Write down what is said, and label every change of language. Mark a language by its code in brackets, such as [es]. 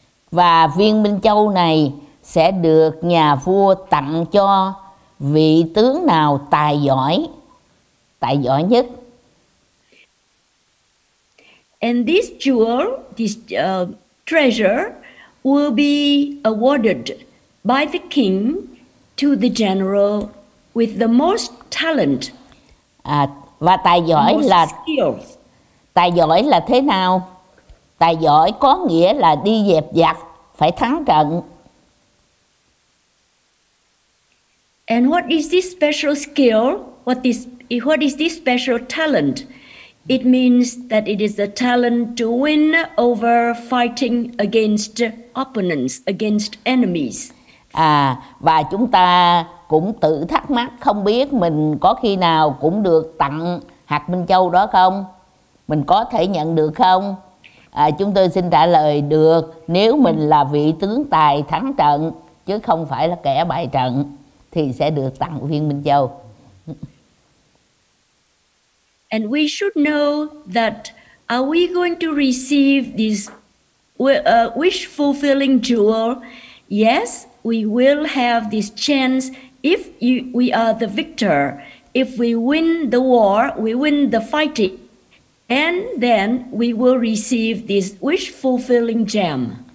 [vi] Và viên minh châu này sẽ được nhà vua tặng cho vị tướng nào tài giỏi nhất. [en] And this jewel, this treasure will be awarded by the king to the general with the most talent. [vi] Và tài giỏi là [en] skills. [vi] Tài giỏi là thế nào? Tài giỏi có nghĩa là đi dẹp giặc, phải thắng trận. [en] And what is this special skill? What is this special talent? It means that it is a talent to win over fighting against opponents, against enemies. [vi] Và chúng ta cũng tự thắc mắc không biết mình có khi nào cũng được tặng hạt minh châu đó không? Mình có thể nhận được không? Chúng tôi xin trả lời được, nếu mình là vị tướng tài thắng trận chứ không phải là kẻ bại trận thì sẽ được tặng viên minh châu. [en] And we should know that are we going to receive this wish fulfilling jewel? Yes, we will have this chance if we are the victor. If we win the war, we win the fighting, and then we will receive this wish fulfilling gem.